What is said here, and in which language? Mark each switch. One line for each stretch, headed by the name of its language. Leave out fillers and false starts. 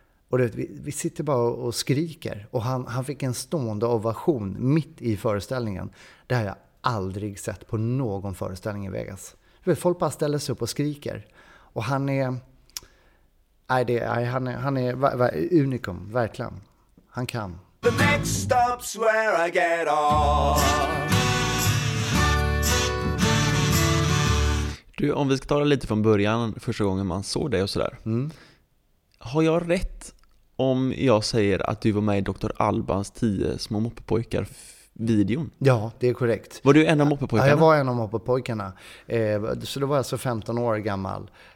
Swedish: Och vet, vi sitter bara och skriker. Och han fick en stående ovation mitt i föreställningen. Det har jag aldrig sett på någon föreställning i Vegas. Vet, folk bara ställer sig upp och skriker. Och han är... Nej, han är unikum, verkligen. Han kan.
English: The next stop's where I get off.
Swedish: Du, om vi ska ta lite från början, första gången man såg dig och sådär. Mm. Har jag rätt om jag säger att du var med i Dr. Albans 10 små moppepojkar-videon? Ja, det är korrekt. Var du en av moppepojkarna? Ja, jag var en av moppepojkarna. Så då var jag så 15 år gammal.